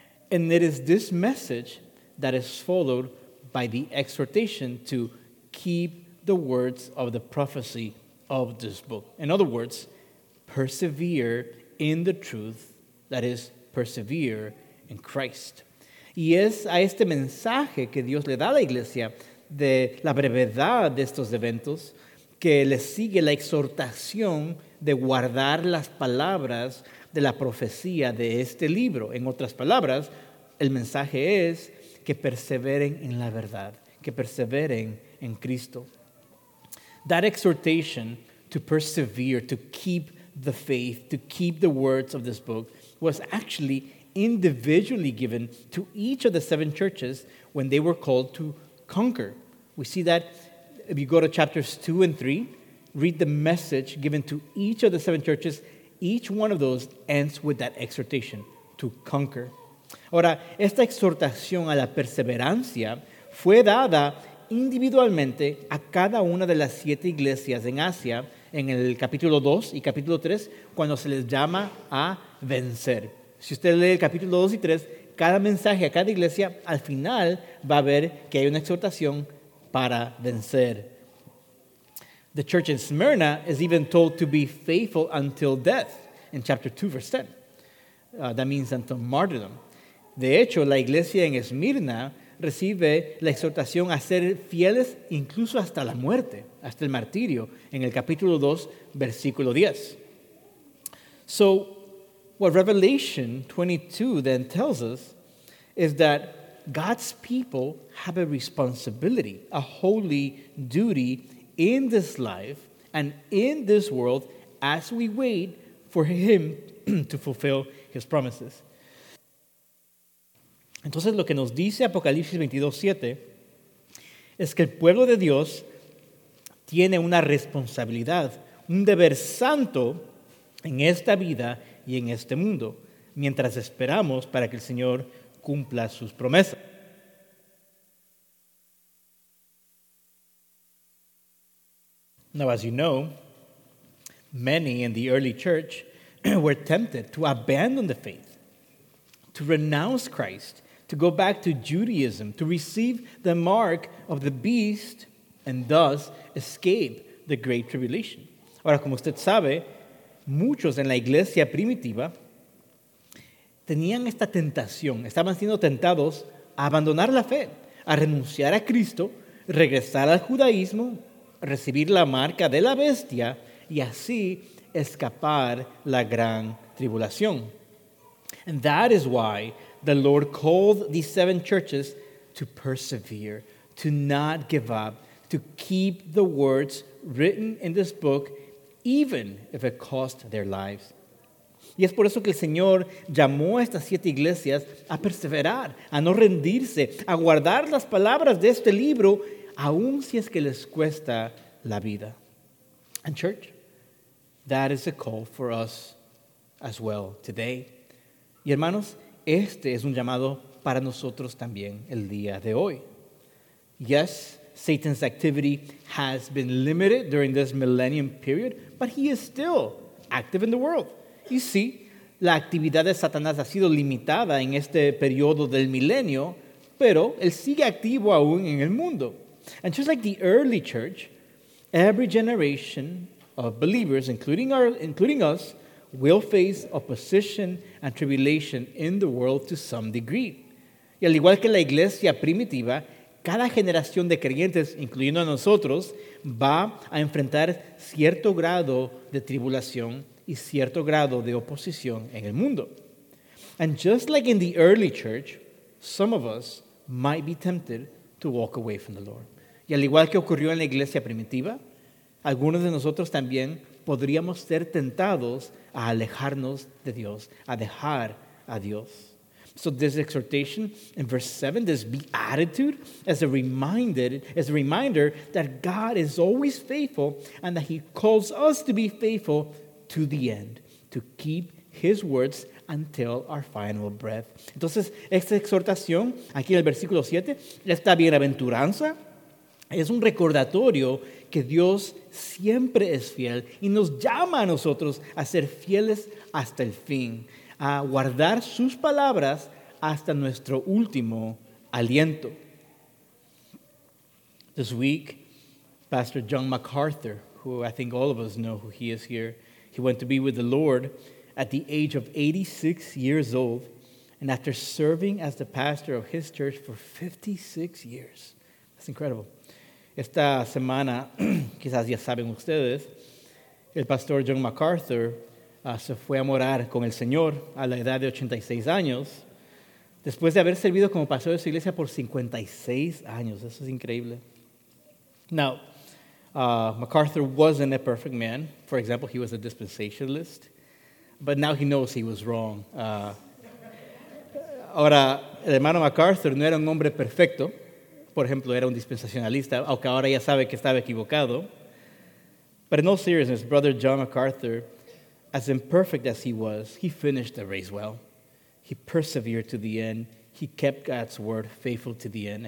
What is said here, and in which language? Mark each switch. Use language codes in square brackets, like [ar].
[en] And it is this message that is followed by the exhortation to keep the words of the prophecy of this book. In other words, persevere in the truth, that is, persevere in Christ. [es] Y es a este mensaje que Dios le da a la iglesia de la brevedad de estos eventos que le sigue la exhortación de guardar las palabras de la profecía de este libro. En otras palabras, el mensaje es que perseveren en la verdad, que perseveren en Cristo. [en] That exhortation to persevere, to keep the faith, to keep the words of this book, was actually individually given to each of the seven churches when they were called to conquer. We see that if you go to chapters 2 and 3, read the message given to each of the seven churches, each one of those ends with that exhortation to conquer. [es] Ahora, esta exhortación a la perseverancia fue dada individualmente a cada una de las siete iglesias en Asia en el capítulo 2 y capítulo 3 cuando se les llama a vencer. Si usted lee el capítulo 2 y 3, cada mensaje a cada iglesia al final va a ver que hay una exhortación para vencer. [en] The church in Smyrna is even told to be faithful until death in chapter 2 verse 10. That means until martyrdom. [es] De hecho, la iglesia en Esmirna recibe la exhortación a ser fieles incluso hasta la muerte, hasta el martirio, en el capítulo 2, versículo 10. [en] So, what Revelation 22 then tells us is that God's people have a responsibility, a holy duty in this life and in this world as we wait for Him to fulfill His promises. [es] Entonces, lo que nos dice Apocalipsis 22:7 es que el pueblo de Dios tiene una responsabilidad, un deber santo en esta vida y en este mundo, mientras esperamos para que el Señor cumpla sus promesas. [en] Now, as you know, many in the early church were tempted to abandon the faith, to renounce Christ, to go back to Judaism, to receive the mark of the beast, and thus escape the great tribulation. [es] Ahora, como usted sabe, muchos en la iglesia primitiva tenían esta tentación, estaban siendo tentados a abandonar la fe, a renunciar a Cristo, regresar al judaísmo, recibir la marca de la bestia, y así escapar la gran tribulación. [en] And that is why the Lord called these seven churches to persevere, to not give up, to keep the words written in this book, even if it cost their lives. [es] Y es por eso que el Señor llamó a estas siete iglesias a perseverar, a no rendirse, a guardar las palabras de este libro, aun si es que les cuesta la vida. [en] And church, that is a call for us as well today. [es] Y hermanos, este es un llamado para nosotros también el día de hoy. [en] Yes, Satan's activity has been limited during this millennium period, but he is still active in the world. You see, [es] la actividad de Satanás ha sido limitada en este periodo del milenio, pero él sigue activo aún en el mundo. [en] And just like the early church, every generation of believers, including us, will face opposition and tribulation in the world to some degree. [es] Y al igual que la iglesia primitiva, cada generación de creyentes, incluyendo a nosotros, va a enfrentar cierto grado de tribulación y cierto grado de oposición en el mundo. [en] And just like in the early church, some of us might be tempted to walk away from the Lord. [es] Y al igual que ocurrió en la iglesia primitiva, algunos de nosotros también podríamos ser tentados a alejarnos de Dios, a dejar a Dios. [en] So this exhortation in verse 7, this beatitude, is a reminder that God is always faithful and that he calls us to be faithful to the end, to keep his words until our final breath. [es] Entonces, esta exhortación, aquí en el versículo 7, esta bienaventuranza, es un recordatorio que Dios siempre es fiel y nos llama a nosotros a ser fieles hasta el fin, a guardar sus palabras hasta nuestro último aliento. [en] This week, Pastor John MacArthur, who I think all of us know who he is here, he went to be with the Lord at the age of 86 years old, and after serving as the pastor of his church for 56 years. That's incredible. [es] Esta semana, quizás ya saben ustedes, el pastor John MacArthur se fue a morar con el Señor a la edad de 86 años, después de haber servido como pastor de su iglesia por 56 años. Eso es increíble. [en] Now, MacArthur wasn't a perfect man. For example, he was a dispensationalist. But now he knows he was wrong. [es] Ahora, el hermano MacArthur no era un hombre perfecto. Por ejemplo, era un dispensacionalista, aunque ahora ya sabe que estaba equivocado. [en] But in all seriousness, Brother John MacArthur, as imperfect as he was, he finished the race well. He persevered to the end. He kept God's word faithful to the end.